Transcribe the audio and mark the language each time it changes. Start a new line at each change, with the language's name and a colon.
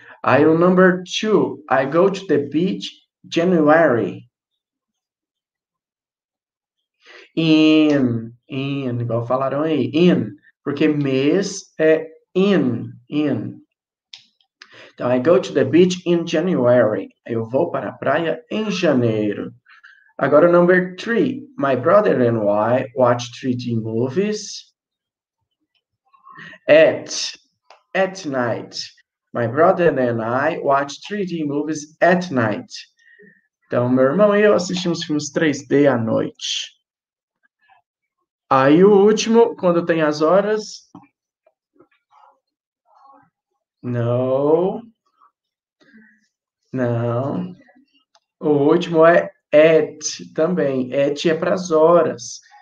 Portuguese: Aí o
English: number 2, I go to the beach January.
Portuguese: In, igual falaram aí, in, porque mês é in. Então,
English: I go to the beach in January.
Portuguese: Eu vou para a praia em janeiro. Agora o number 3,
English: my brother and I watch 3D movies at night. My brother and I watch 3D movies at night.
Portuguese: Então, meu irmão e eu assistimos filmes 3D à noite. Aí, o último, quando tem as horas? Não. Não. O último é at também. At é para as horas.